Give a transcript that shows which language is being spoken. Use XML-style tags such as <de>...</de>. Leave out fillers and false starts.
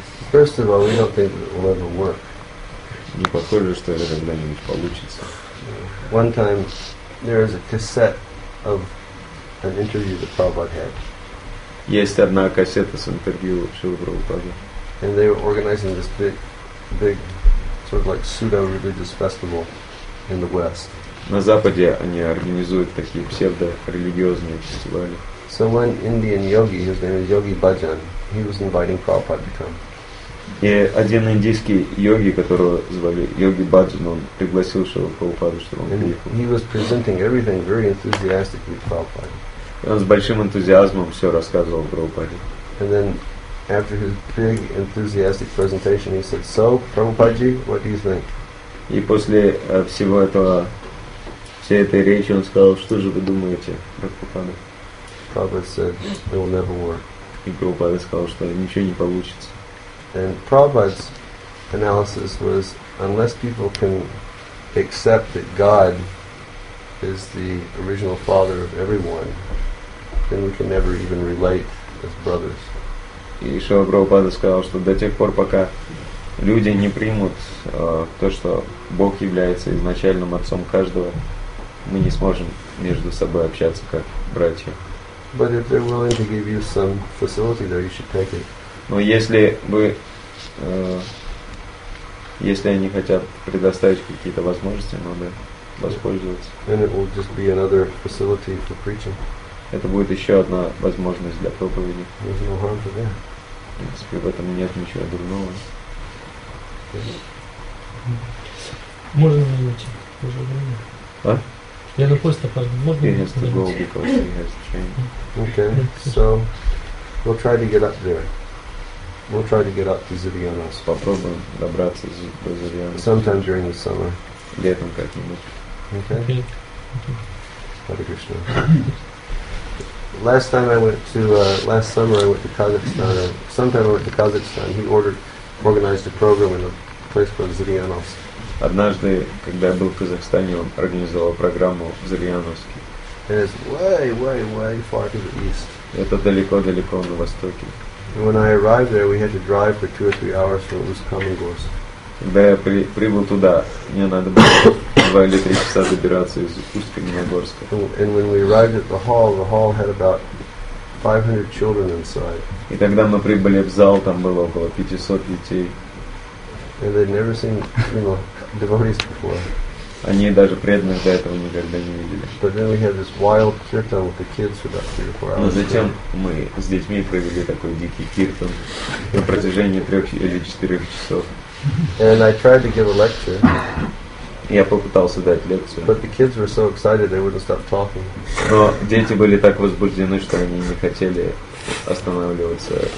<en>First of all, we don't think it will ever work.</en> <ru>Не похоже, что это когда-нибудь получится.</ru> <en>One time, there is a cassette of an interview that Prabhupada had.</en> <ru>Есть одна кассета с интервью Шрилы Прабхупады.</ru> <en>And they were organizing this big sort of like pseudo religious festival in the West.</en> <ru>На Западе они организуют такие псевдорелигиозные фестивали.</ru> <en>So one Indian yogi, his name is Yogi Bhajan, he was inviting Prabhupada to come.</en> <ru>И один индийский йоги, которого звали Йоги Баджан, он пригласил Шрилу Прабхупаду, чтобы он приехал.</ru> <en>He was presenting everything very enthusiastically to Prabhupada.</en> <ru>И он с большим энтузиазмом все рассказывал Прабхупаде.</ru> <en>And then after his big enthusiastic presentation, he said, "So, Prabhupada, what do you think?"</en> <ru>И после всего этого, всей этой речи, он сказал, что же вы думаете, Прабхупада?</ru> <en>Prabhupada said, "It will never work."</en> <ru>И Прабхупада сказал, что ничего не получится.</ru> <en>And Prabhupada's analysis was, unless people can accept that God is the original father of everyone, then we can never even relate as brothers.</en> <ru>И Шрила Прабхупада сказал, что до тех пор, пока люди не примут то, что Бог является изначальным отцом каждого, мы не сможем между собой общаться как братья.</ru> <en>But if they're willing to give you some facility there, you should take it.</en> <ru>Но если вы если они хотят предоставить какие-то возможности, надо воспользоваться.</ru> <en>And it will just be another facility for preaching.</en> <ru>Это будет еще одна возможность для проповеди.</ru> <en>There's no harm to that.</en> <ru>В принципе, в этом нет ничего дурного. Можно минуте? Уже время. А? Я на поезд опаздываю. Можно минуте?</ru> <en>He has to go because he has to change. Okay, so we'll try to get up there. We'll try to get up to Zivyanas.</en> <ru>Попробуем добраться до Зивьяна.</ru> <en>Sometime during the summer.</en> <ru>Летом как-нибудь.</ru> <en>Okay. Hare Krishna. Last summer I went to Kazakhstan. He organized a program in a place called Zivyanas.</en> <ru>Однажды, когда я был в Казахстане, он организовал программу в Зивьяновске.</ru> <en>And it's way far to the east.</en> <ru>Это далеко-далеко на востоке.</ru> <en>When I arrived there, we had to drive for 2 or 3 hours from Uskhamingorsk.</en> <ru>Когда я прибыл туда, мне надо было 2 или 3 часа добираться из Уст-Каменогорска.</ru> <en>And when we arrived at the hall had about 500 children inside.</en> <ru>И когда мы прибыли в зал, там было около 500 детей.</ru> <en>And they'd never seen, you know, devotees before.</en> <ru>Они даже преданных до этого никогда не видели.</ru> <en>But then we had this wild kirtan with the kids for about 3 or 4 hours.</en> <ru>Но затем мы с детьми провели такой дикий киртан на протяжении 3 или 4 часов.</ru> <en>And I tried to give a lecture.</en> <ru>Я попытался дать лекцию.</ru> <en>But the kids were so excited they wouldn't stop talking.</en> <ru>Но дети были так возбуждены, что они не хотели останавливаться.</ru>